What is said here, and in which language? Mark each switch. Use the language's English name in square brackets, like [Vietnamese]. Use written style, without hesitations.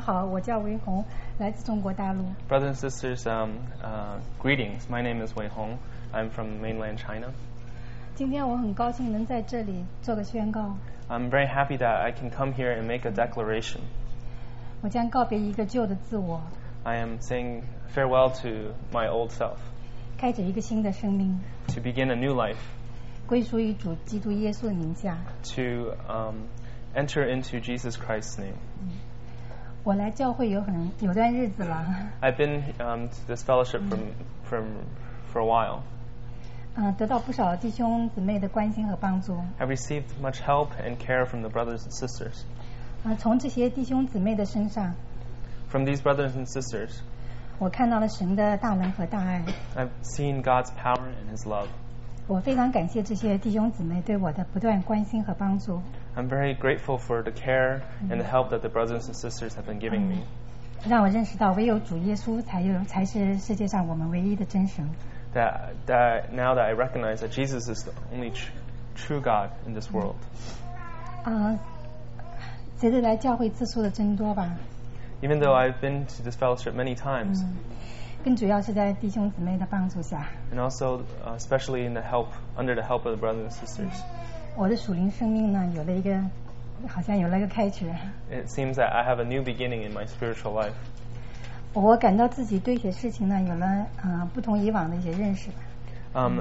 [Chinese] 我叫维红，来自中国大陆。 [English] Brothers and sisters, greetings. My name is Wei Hong. I'm from mainland China. [Chinese] 今天我很高兴能在这里做个宣告。 [English] I'm very happy that I can come here and make a declaration. [Chinese] 我将告别一个旧的自我。 [English] I am saying farewell to my old self. [Chinese] 开始一个新的生命。 [English] To begin a new life. [Chinese] 归属于主基督耶稣的名下。 [English] To enter into Jesus Christ's name. [Chinese] 我来教会有段日子了。 [English] I've been to this fellowship for a while. [Chinese] 得到不少弟兄姊妹的关心和帮助。 [English] I received much help and care from the brothers and sisters. [Chinese] 从这些弟兄姊妹的身上。 [English] From these brothers and sisters, [Chinese] 我看到了神的大能和大爱。 [English] I've seen God's power and His love. [Chinese] 我非常感谢这些弟兄姊妹对我的不断关心和帮助。 [English] I'm very grateful for the care and the help that the brothers and sisters have been giving me. [Chinese] 让我认识到唯有主耶稣才是世界上我们唯一的真神。 [English] That now that I recognize that Jesus is the only true God in this world. [Chinese] 随着来教会次数的增多吧。 [English] Even though I've been to this fellowship many times, [Chinese] 更主要是在弟兄姊妹的帮助下。 [English] And also, especially in the help under the help of the brothers and sisters. [Chinese] 我的属灵生命呢，有了一个，好像有了一个开始。 [English] It seems that I have a new beginning in my spiritual life. [Chinese] 我感到自己对一些事情呢，有了不同以往的一些认识吧。